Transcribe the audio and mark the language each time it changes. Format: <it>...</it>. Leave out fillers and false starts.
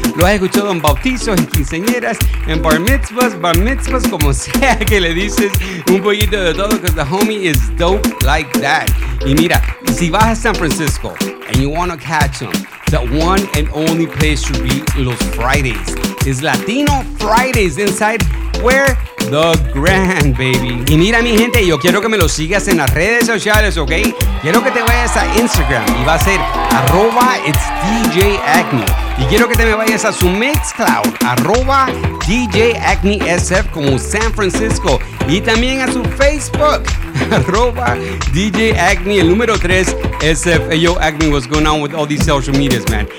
<es>Lo has escuchado en bautizos, en quinceañeras, en bar mitzvahs, como sea que le dices, un poquito de todo,</es> <en>because the homie is dope like that.</en> <es>Y mira, si vas a San Francisco</es> <en>and you want to catch him, the one and only place to be Los Fridays is Latino Fridays inside where the Grand, baby.</en> <es>Y mira, mi gente, yo quiero que me lo sigas en las redes sociales, ¿ok? Quiero que te vayas a Instagram y va a ser arroba it's DJ Acme. Y quiero que te me vayas a su Mixcloud, arroba DJ Acme SF como San Francisco. Y también a su Facebook, arroba DJ Acme, el número 3 SF.</es> <en>Hey, yo, Acme, what's going on with all these social medias, man?</en>